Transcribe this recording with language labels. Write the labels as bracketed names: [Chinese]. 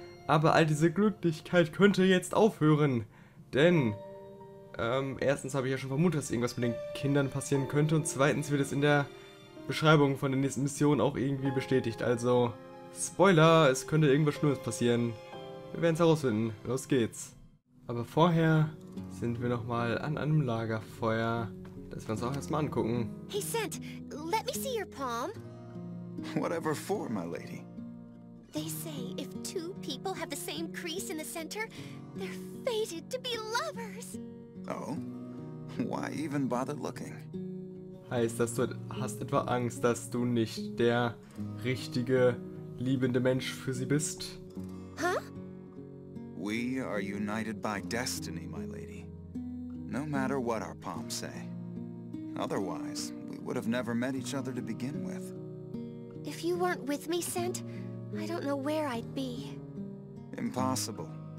[German] Aber all diese Glücklichkeit könnte jetzt aufhören, denn erstens habe ich ja schon vermutet, dass irgendwas mit den Kindern passieren könnte und zweitens wird es in der Beschreibung von der nächsten Mission auch irgendwie bestätigt. Also, Spoiler, es könnte irgendwas Schlimmes passieren. Wir werden es herausfinden. Los geht's. Aber vorher sind wir nochmal an einem Lagerfeuer, das wir uns auch erstmal angucken. [English] Hey, Cent, let me see your palm. Whatever for, my lady. They say if two people have the same crease in the center, they're fated to be lovers. Oh? Why even bother looking? [German] Heißt das, du hast etwa Angst, dass du nicht der richtige, liebende Mensch für sie bist? Huh? [English] We are united by destiny, my lady. No matter what our palms say. Otherwise, we would have never met each other to begin with. If you weren't with me, Cent, I don't know where I'd be. Impossible.